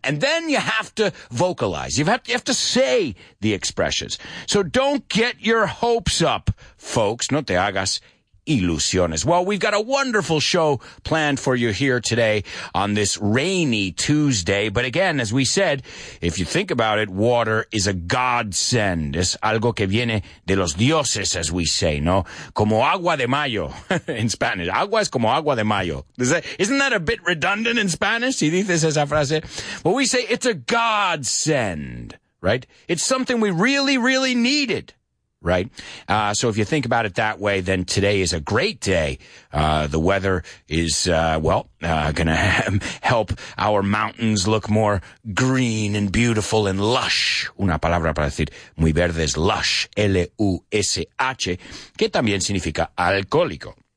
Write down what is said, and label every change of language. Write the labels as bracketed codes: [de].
[en] And then you have to vocalize. You have to say the expressions. So don't get your hopes up, folks. [es] No te hagas Ilusiones. [en] Well, we've got a wonderful show planned for you here today on this rainy Tuesday. But again, as we said, if you think about it, water is a godsend. [es] Es algo que viene de los dioses, [en] as we say, [es] ¿no? Como agua de mayo [en] in Spanish. [es] Agua es como agua de mayo. [en] Isn't that a bit redundant in Spanish? [es] Si dices esa frase. [en] Well, we say it's a godsend, right? It's something we really, really needed. Right. So if you think about it that way, then today is a great day. The weather is, going to help our mountains look more green and beautiful and lush. [es] Una palabra para decir muy verde es lush, L-U-S-H, que también significa alcohólico.